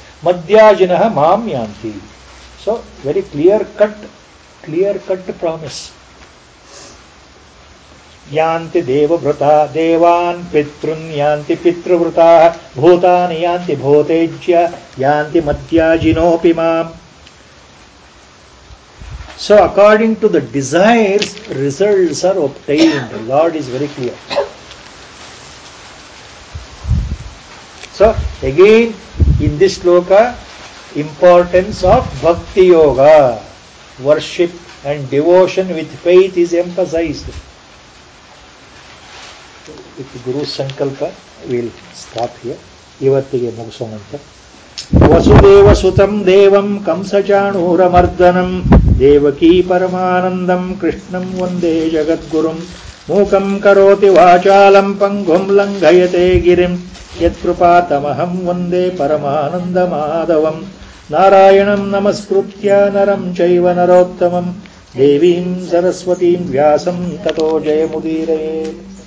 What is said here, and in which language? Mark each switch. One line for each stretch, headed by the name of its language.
Sanskrit: ಮಧ್ಯಾಜಿನಃ ಮಾಂ ಯಾಂತಿ.
English: So very clear cut, clear cut promise.
Sanskrit: ಯಾಂತಿ ದೇವವೃತ ದೇವಾನ್ ಪಿತೃನ್ ಯಾಂತಿ ಪಿತೃವೃತ Bhutan ಯಾಂತಿ ಭೂತೇಜ್ಯ ಯಾಂತಿ ಮಧ್ಯಾಜಿನೋಪಿ ಮಾಂ.
English: So according to the desires, results are obtained. The Lord is very clear. So again, in this sloka, importance of bhakti yoga, worship and devotion with faith is emphasized. With Guru Sankalpa, we'll stop here.
Kannada: Ivattige mugisonanta.
Sanskrit: Vasudeva ಸುತಂ ದೇವಂ ಕಂಸಚಾಣೂರಮರ್ದನಂ ದೇವಕೀ ಪರಮಾನಂದಂ ಕೃಷ್ಣಂ ವಂದೇ ಜಗದ್ಗುರುಂ ಮೂಕಂ ಕರೋತಿ ವಾಚಾಲಂ ಪಂಗುಂ ಲಂಘಯತೆ ಗಿರಿಂ ಯತ್ಕೃಪಾತಮಹಂ ವಂದೇ ಪರಮಾನಂದಮಾಧವಂ ನಾರಾಯಣಂ ನಮಸ್ಕೃತ್ಯ ನರಂ ಚೈವ ನರೋತ್ತಮಂ ದೇವೀಂ ಸರಸ್ವತೀಂ ವ್ಯಾಸಂ ತತೋ ಜಯಮುದೀರಯೇತ್.